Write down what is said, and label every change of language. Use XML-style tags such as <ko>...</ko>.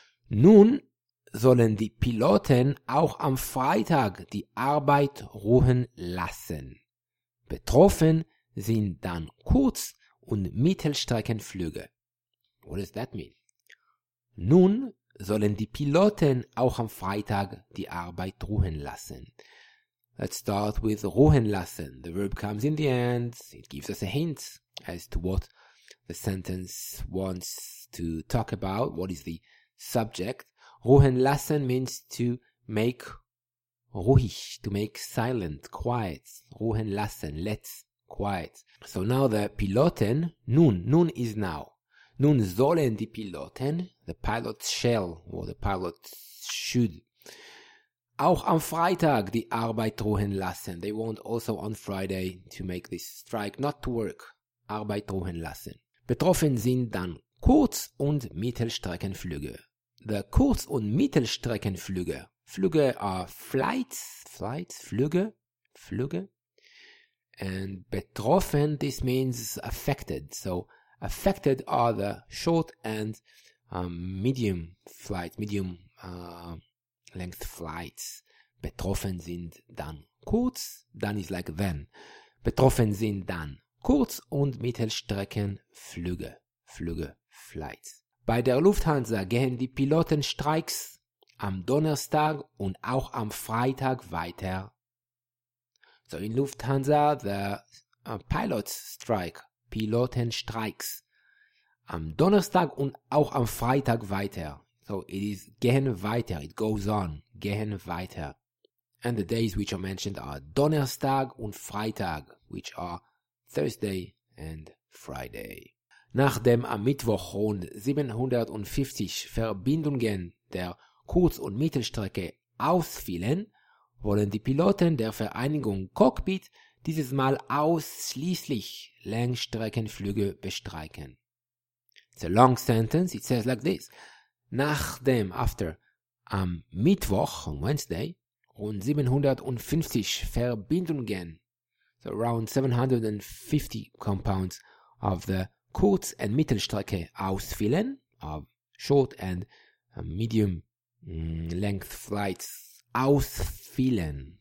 <de>Nun sollen die Piloten auch am Freitag die Arbeit ruhen lassen. Betroffen sind dann kurz- und Mittelstreckenflüge.</de> <en>What does that mean?</en> <de>Nun sollen die Piloten auch am Freitag die Arbeit ruhen lassen.</de> <en>Let's start with</en> <de>ruhen lassen.</de> <en>The verb comes in the end. It gives us a hint as to what the sentence wants to talk about. What is the subject? Ruhen lassen means to make ruhig, to make silent, quiet. Ruhen lassen, let's, quiet. So now the Piloten, nun is now.</en> <de>Nun sollen die Piloten,</de> <en>the pilots shall, or the pilots should,</en> <de>auch am Freitag die Arbeit ruhen lassen.</de> <en>They want also on Friday to make this strike, not to work,</en> <de>Arbeit ruhen lassen. Betroffen sind dann Kurz- und Mittelstreckenflüge.</de> <en>The Kurz- und Mittelstreckenflüge. Flüge are flights, flights, Flüge, Flüge. And betroffen, this means affected. So affected are the short and medium flights, medium length flights.</en> <de>Betroffen sind dann kurz. Dann</de> <en>is like then.</en> <de>Betroffen sind dann Kurz- und Mittelstreckenflüge, Flüge, flights. Bei der Lufthansa gehen die Pilotenstreiks am Donnerstag und auch am Freitag weiter.</de> <en>So in Lufthansa, the pilot strike,</en> <de>Pilotenstreiks, am Donnerstag und auch am Freitag weiter.</de> <en>So it is</en> <de>gehen weiter,</de> <en>it goes on, gehen weiter. And the days which are mentioned are</en> <de>Donnerstag und Freitag,</de> <en>which are Thursday and Friday.</en> <de>Nachdem am Mittwoch rund 750 Verbindungen der Kurz- und Mittelstrecke ausfielen, wollen die Piloten der Vereinigung Cockpit dieses Mal ausschließlich Langstreckenflüge bestreiken.</de> <en>It's a long sentence, it says like this.</en> <de>Nachdem,</de> <en>after,</en> <de>am Mittwoch,</de> <en>on Wednesday,</en> <de>rund 750 Verbindungen,</de> <en>so around 750 compounds of the</en> <de>Kurz- und Mittelstrecke ausfielen,</de> <en>of short and medium length flights ausfielen.</en>